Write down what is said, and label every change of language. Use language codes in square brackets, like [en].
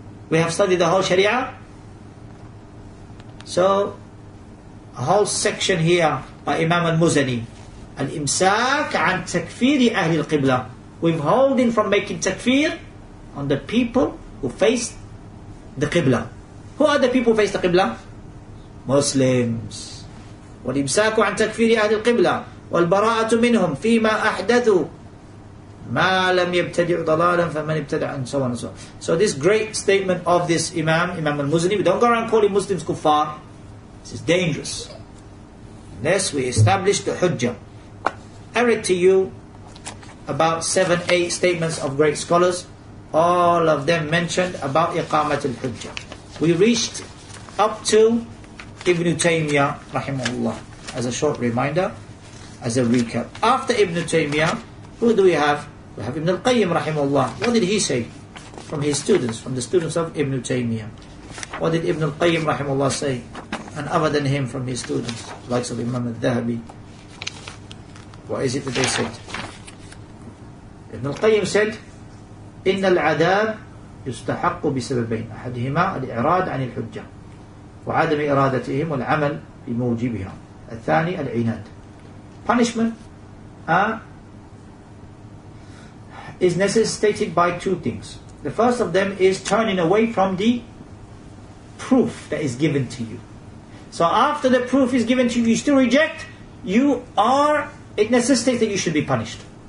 [en] We have studied the whole Sharia. So, a whole section here by Imam Al-Muzani. [ar] Al-Imsak an takfiri Ahli Al-Qibla. [en] Withholding from making takfir on the people who face the Qibla. Who are the people who face the Qibla? [ar] Muslims. Wal-Imsak an takfiri Ahli Al-Qibla. والبراءة منهم فيما أحدثوا ما لم يبتدع ضلالا فمن ابتدع [en] and so on and so on. So this great statement of this Imam al-Muzani, we don't go around calling Muslims kuffar. This is dangerous. Unless we establish the Hujjah. I read to you about 7-8 statements of great scholars. All of them mentioned about Iqamat al-Hujjah. We reached up to Ibn Taymiyyah rahimahullah. As a short reminder, as a recap. After Ibn Taymiyyah, who do we have? We have Ibn al-Qayyim rahimahullah. What did he say from his students, from the students of Ibn Taymiyyah? What did Ibn al-Qayyim rahimahullah say? And other than him from his students, the likes of Imam al-Dhahabi. What is it that they said? Ibn al-Qayyim said, [ar] إِنَّ الْعَذَابِ يُسْتَحَقُّ بِسَبَبَيْنَ أَحَدْهِمَا الْإِعْرَادِ عَنِ الْحُجَّةِ وَعَدَمِ إِرَادَتِهِمْ وَالْعَمَلْ بِمُوجِبِهَا الثاني العناد. [en] Punishment is necessitated by two things. The first of them is turning away from the proof that is given to you. So after the proof is given to you, you still reject, it necessitates that you should be punished.